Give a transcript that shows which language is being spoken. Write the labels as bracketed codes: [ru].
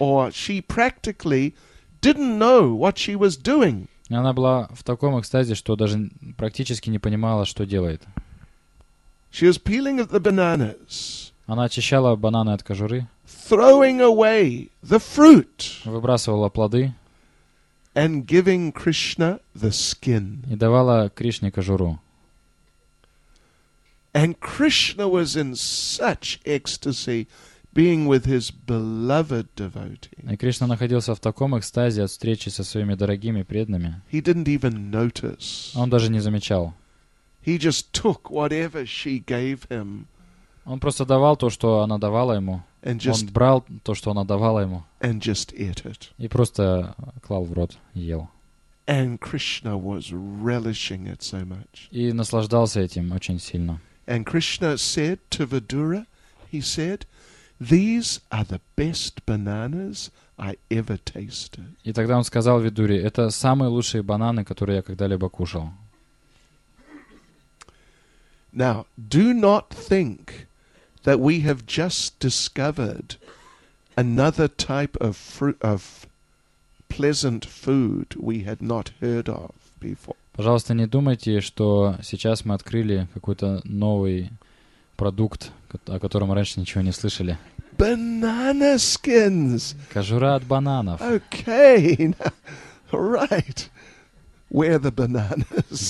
[en] She practically didn't know what she was doing. [ru] Она была в таком экстазе, что даже практически не понимала, что делает. [en] She was peeling the bananas. [ru] Она очищала бананы от кожуры. [en] Throwing away the fruit. [ru] Выбрасывала плоды. [en] And giving Krishna the skin. [ru] И давала Кришне кожуру. [en] And Krishna was in such ecstasy being with his beloved devotee. [ru] И Кришна находился в таком экстазе от встречи со своими дорогими преданными. [en] He didn't even notice. [ru] Он даже не замечал. [en] He just took whatever she gave him. [ru] Он просто давал то, что она давала ему. [en] And just, [ru] он брал то, что она давала ему. [en] And just ate it. [ru] И просто клал в рот, ел. [en] And Krishna was relishing it so much. [ru] И наслаждался этим очень сильно. [en] And Krishna said to Vidura, he said, "These are the best bananas I ever tasted." [ru] И тогда он сказал Видуре, это самые лучшие бананы, которые я когда-либо кушал. [en] Now, do not think that we have just discovered another type of fruit of pleasant food we had not heard of before. [ru] Пожалуйста, не думайте, что сейчас мы открыли какой-то новый продукт, о котором раньше ничего не слышали. [en] Banana skins. [ru] Кожура от бананов. [en] Okay. Right. Where the bananas?